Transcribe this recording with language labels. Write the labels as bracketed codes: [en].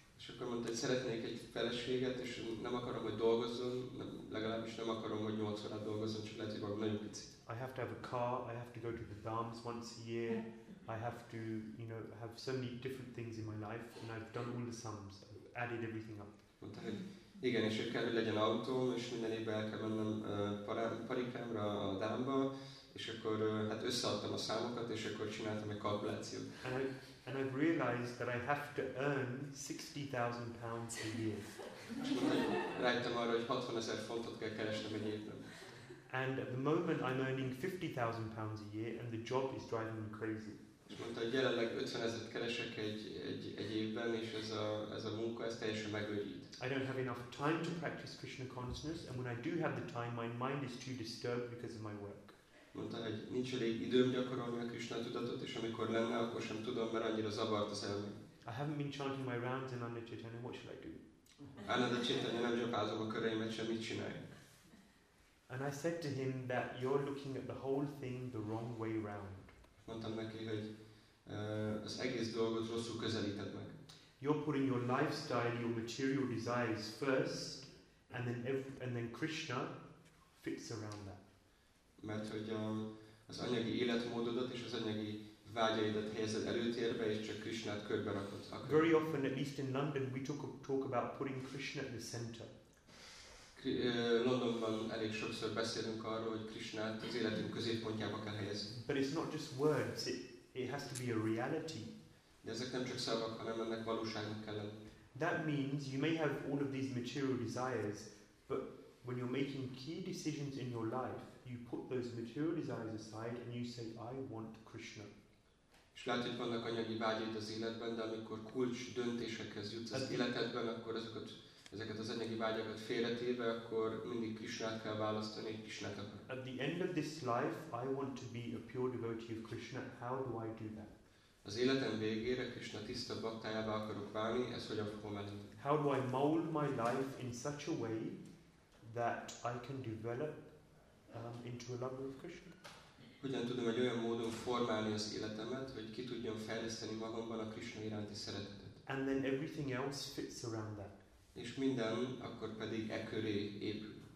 [hu] És akkor mondta, hogy szeretnék egy feleséget, és nem akarom, hogy dolgozzon, legalábbis nem akarom, hogy 8 órát dolgozzon, csak lehet, hogy nagyon picit. [en] I have to have a car, I have to go to the dams once a year, I have to, you know, have so many different things in my life, and I've done all the sums, I've added everything up. [hu] Mondta, hogy igen, és kell, hogy legyen autóm, és minden évben el kell mennem parikámra a dámba, és akkor hát összeadtam a számokat, és akkor csináltam egy kalkulációt. [en] And I've realized that I have to earn 60,000 pounds a year. [hu] Rájöttem arra, hogy 60,000 fontot kell keresnem egy évben. [en] And at the moment I'm earning 50,000 pounds a year and the job is driving me crazy. [hu] És mondta, hogy jelenleg 50,000 keresek egy évben, és ez a munka, ez teljesen megőrít. [en] I don't have enough time to practice Krishna consciousness and when I do have the time, my mind is too disturbed because of my work. [hu] Mondta, hogy nincs elég időm gyakorolni a Krishna tudatot, és amikor lenne, akkor sem tudom, mert annyira zavart az elmé. [en] I haven't been chanting my rounds in Ananda Chaitanya, what should I do? [hu] Ananda Chaitanya, nem japázom a köreimet, sem mit csináljak. [en] And I said to him that you're looking at the whole thing the wrong way round. [hu] Mondtam neki, hogy az egész dolgot rosszul közelíted meg. [en] You're putting your lifestyle, your material desires first, and then Krishna fits around that. [hu] Mert hogy az anyagi életmódodat és az anyagi vágyaidat helyezed előtérbe, és csak Krishnát körbe rakod. [en] Very often, at least in London, we talk about putting Krishna at the center. [hu] Londonban elég sokszor beszélünk arról, hogy Krishnát az életünk középpontjába kell helyezni. [en] But it's not just words, it has to be a reality. [hu] De ezek nem csak szavak, hanem ennek valóságnak kell lenni. [en] That means you may have all of these material desires, but when you're making key decisions in your life, you put those material desires aside and you say, I want Krishna. [hu] És lehet, hogy vannak anyagi vágyaid az életben, de amikor kulcs döntésekhez jutsz az életedben, akkor ezeket az anyagi vágyakat félretéve, akkor mindig Krishnát kell választani, egy Krishnát akar. [en] At the end of this life, I want to be a pure devotee of Krishna. How do I do that? [hu] Az életem végére Krishna tiszta baktájába akarok válni, ez hogyan fogom elindulni? [en] How do I mold my life in such a way that I can develop into a lover of Krishna? [hu] Hogyan tudom egy olyan módon formálni az életemet, hogy ki tudjam fejleszteni magamban a Krishna iránti szeretetet? [en] And then everything else fits around that. [hu] És minden akkor pedig e köré épül.